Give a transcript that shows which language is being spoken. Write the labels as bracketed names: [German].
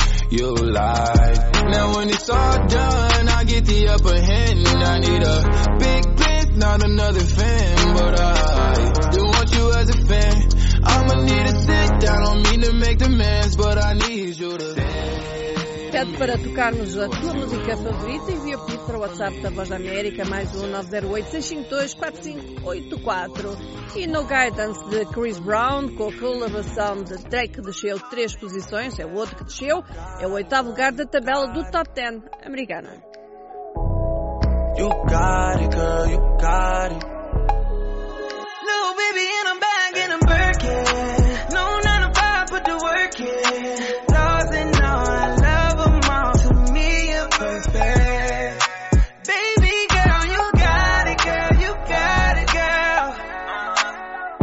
[English] You lied. Now when it's all done, I get the upper hand. I need a big not another fan, but I do want you as a fan. I'ma need to sit down. Don't mean to make demands, but I need you to stay. [Portuguese] Pede para tocarmos a tua música favorita e envia pedido para o WhatsApp da Voz da América, mais um 908-652-4584. E No Guidance de Chris Brown, com a colaboração de Drake, que desceu 3 posições, é o outro que desceu, é o 8º lugar da tabela do Top 10 americana. [English] You got it, girl, you got it. Little baby in a bag, in a Birkin. No 9 to 5, put the work in. Stars and all, I love them all. To me, you're perfect. Baby girl, you got it, girl, you got it, girl.